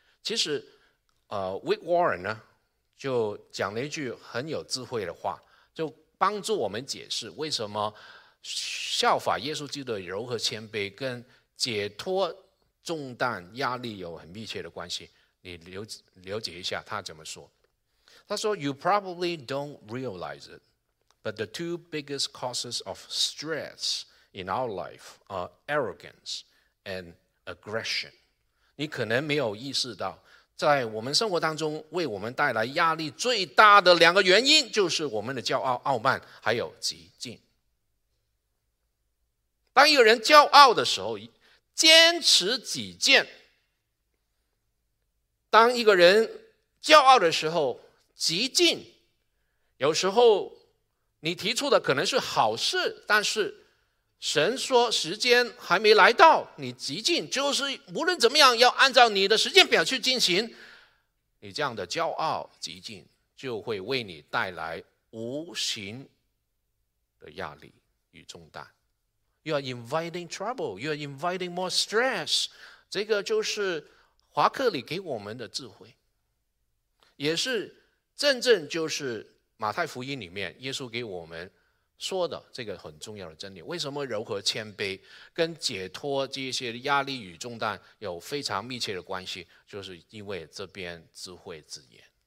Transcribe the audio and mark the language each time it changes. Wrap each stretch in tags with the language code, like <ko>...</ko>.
<zh>其实Wick Warren 呢，就讲了一句很有智慧的话，就帮助我们解释为什么效法耶稣基督的柔和谦卑跟解脱重担压力有很密切的关系。你了解一下他怎么说。他说</zh> <en>You probably don't realize it, but the two biggest causes of stress in our life are arrogance and aggression.</en> <zh>你可能没有意识到，在我们生活当中为我们带来压力最大的两个原因，就是我们的骄傲、傲慢还有激进。当一个人骄傲的时候，坚持己见；当一个人骄傲的时候，激进，有时候你提出的可能是好事，但是神说时间还没来到，你急进就是无论怎么样要按照你的时间表去进行，你这样的骄傲急进就会为你带来无形的压力与重担。</zh> <en>You are inviting trouble, you are inviting more stress.</en> <zh>这个就是华克里给我们的智慧，也是真正就是马太福音里面耶稣给我们说的这个很重要的真理。为什么柔和谦卑跟解脱这些压力与重担有非常密切的关系，就是因为这边智慧之言。</zh>